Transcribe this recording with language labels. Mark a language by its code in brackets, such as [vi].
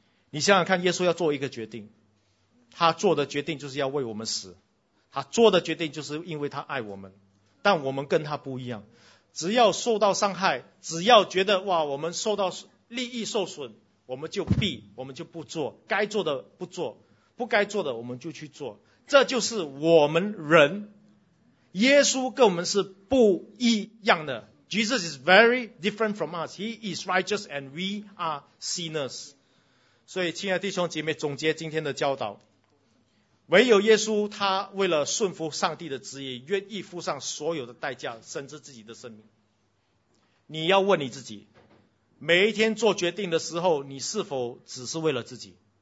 [zh] 你想想看，耶稣要做一个决定，他做的决定就是要为我们死，他做的决定就是因为他爱我们，但我们跟他不一样，只要受到伤害，只要觉得哇我们受到利益受损，我们就避，我们就不做，该做的不做，不该做的我们就去做，这就是我们人。耶稣跟我们是不一样的。 [en] Jesus is very different from us. He is righteous and we are sinners. [zh] 所以亲爱的弟兄姐妹，总结今天的教导，唯有耶稣他为了顺服上帝的旨意，愿意付上所有的代价，甚至自己的生命。你要问你自己，每一天做决定的时候，你是否只是为了自己？